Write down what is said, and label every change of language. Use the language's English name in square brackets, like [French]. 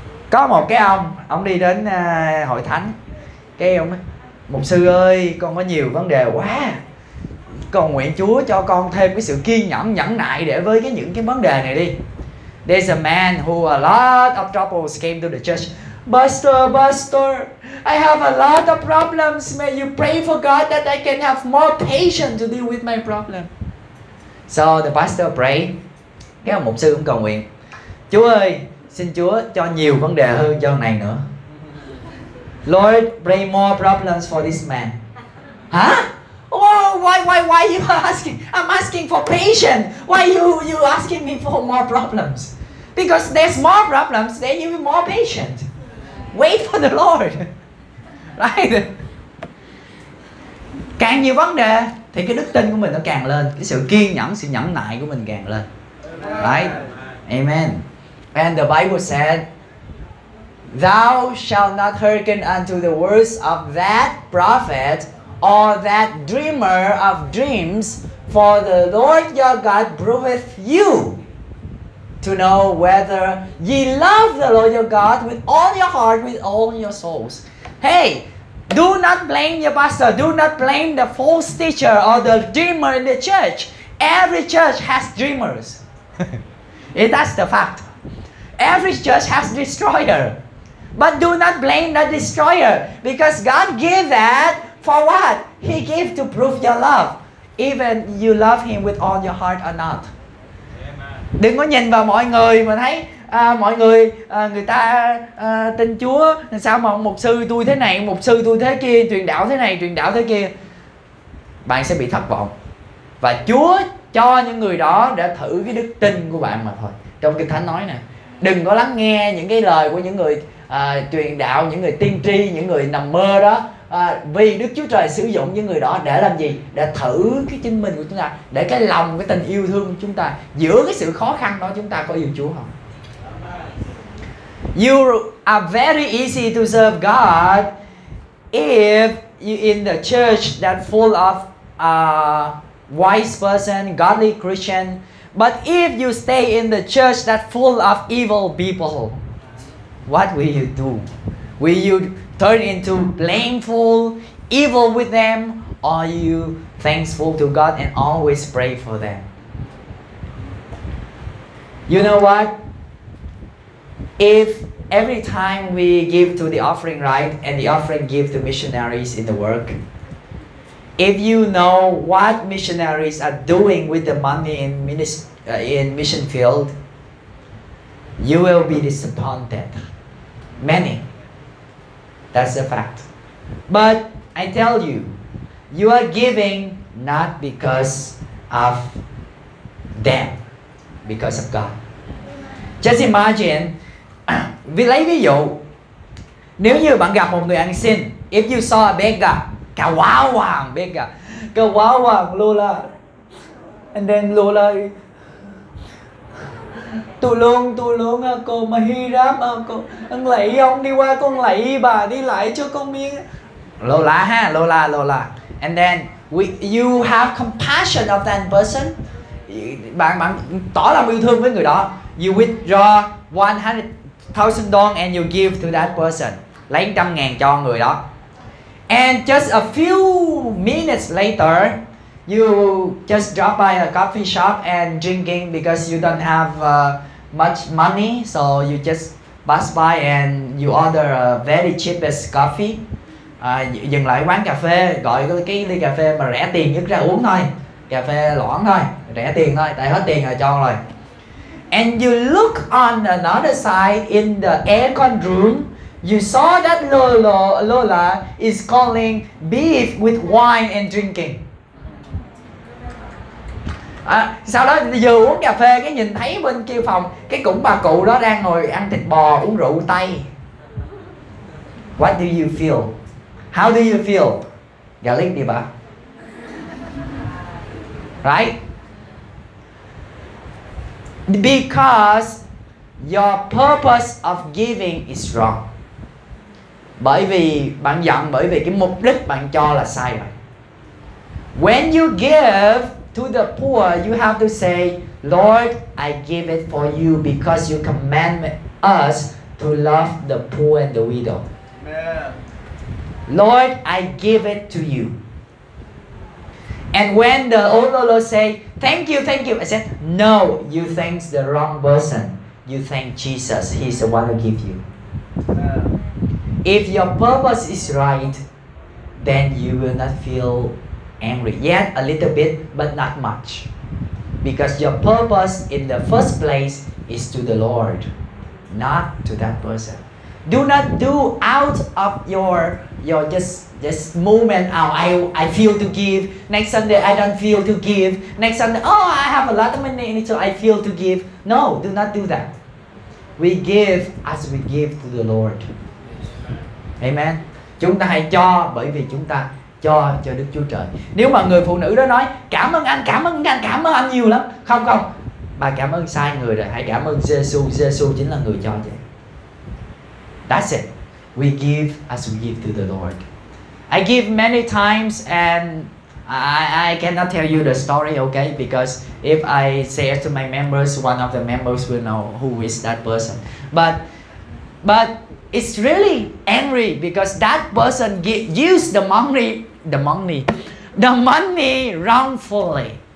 [Vietnamese] Có một cái ông đi đến hội thánh. Cái ông nói, mục sư ơi, con có nhiều vấn đề quá. Con nguyện Chúa cho con thêm cái sự kiên nhẫn, nhẫn nại để với cái những cái vấn đề này đi. [English] There's a man who a lot of troubles came to the church. Pastor, I have a lot of problems. May you pray for God that I can have more patience to deal with my problem. So the pastor pray. [Vietnamese] Cái ông mục sư cũng cầu nguyện. Chúa ơi, xin Chúa cho nhiều vấn đề hơn cho này nữa. [English] Lord, bring more problems for this man. Huh? Oh, why you asking? I'm asking for patience. Why you asking me for more problems? Because there's more problems, then you be more patient. Wait for the Lord. Right? [Vietnamese] Càng nhiều vấn đề thì cái đức tin của mình nó càng lên, cái sự kiên nhẫn, sự nhẫn nại của mình càng lên. [English] Right? Amen. And the Bible said, thou shalt not hearken unto the words of that prophet or that dreamer of dreams, for the Lord your God proveth you to know whether ye love the Lord your God with all your heart, with all your souls. Hey, do not blame your pastor. Do not blame the false teacher or the dreamer in the church. Every church has dreamers. That's the fact. Every church has destroyer. But do not blame that destroyer, because God gave that for what? He gave to prove your love, even you love him with all your heart or not. [Vietnamese] Đừng có nhìn vào mọi người mà thấy mọi người người ta tin Chúa, sao mà mục sư tôi thế này, mục sư tôi thế kia, truyền đạo thế này, truyền đạo thế kia. Bạn sẽ bị thất vọng. Và Chúa cho những người đó để thử cái đức tin của bạn mà thôi. Trong Kinh Thánh nói nè, đừng có lắng nghe những cái lời của những người truyền đạo, những người tiên tri, những người nằm mơ đó. Vì Đức Chúa Trời sử dụng những người đó để làm gì? Để thử cái chính mình của chúng ta, để cái lòng, cái tình yêu thương của chúng ta, giữa cái sự khó khăn đó chúng ta có yêu Chúa không? [English] You are very easy to serve God if you in the church that full of wise person, godly Christian. But if you stay in the church that full of evil people, what will you do? Will you turn into blameful, evil with them, or are you thankful to God and always pray for them? You know what? If every time we give to the offering right and the offering give to missionaries in the work, if you know what missionaries are doing with the money in mission field, you will be disappointed. Many. That's a fact. But I tell you, you are giving not because of them, because of God. Just imagine, we [Vietnamese] lấy ví dụ, nếu như bạn gặp một người ăn xin, [English] if you saw a beggar, [Vietnamese] cả quá hoàng beggar, cả quá hoàng Lula, [English] and then [Vietnamese] Lula, tôi luôn cô mà hy ráp cô ăn lạy ông đi qua con lạy bà đi lại cho con miếng Lola ha, Lola. [English] And then you have compassion of that person, [Vietnamese] bạn tỏ lòng yêu thương với người đó. [English] You withdraw $100,000 and you give to that person, [Vietnamese] lấy 100,000 cho người đó. [English] And just a few minutes later, you just drop by a coffee shop and drinking because you don't have much money, so you just pass by and you order a very cheapest coffee. [Vietnamese] Dừng lại quán cà phê, gọi cái ly cà phê mà rẻ tiền nhất ra uống thôi. Cà phê loãng thôi, rẻ tiền thôi, tại hết tiền rồi cho rồi. [English] and you look on another side in the aircon room, you saw that Lola is calling beef with wine and drinking. [Vietnamese] À, sau đó vừa uống cà phê cái nhìn thấy bên kia phòng cái cũng bà cụ đó đang ngồi ăn thịt bò uống rượu tây. [English] What do you feel? How do you feel? Gà lít đi bà. Right? Because your purpose of giving is wrong. [Vietnamese] Bởi vì bạn giận bởi vì cái mục đích bạn cho là sai rồi. [English] When you give to the poor, you have to say, Lord, I give it for you because you command us to love the poor and the widow. Lord, I give it to you. And when the old Lolo say, thank you, I said, no, you thank the wrong person. You thank Jesus. He's the one who give you. If your purpose is right, then you will not feel angry. Yet a little bit, but not much. Because your purpose in the first place is to the Lord, not to that person. Do not do out of your just movement out. I feel to give. Next Sunday, I don't feel to give. Next Sunday, oh, I have a lot of money, so I feel to give. No, do not do that. We give as we give to the Lord. Amen. [Vietnamese] Chúng ta hãy cho bởi vì chúng ta cho Đức Chúa Trời. Nếu mà người phụ nữ đó nói cảm ơn anh nhiều lắm. Không không, bà cảm ơn sai người rồi. Hãy cảm ơn Jesus. Jesus chính là người cho vậy. [English] That's it. We give as we give to the Lord. I give many times and I cannot tell you the story, okay? Because if I say it to my members, one of the members will know who is that person. But it's really angry because that person used the money wrongfully.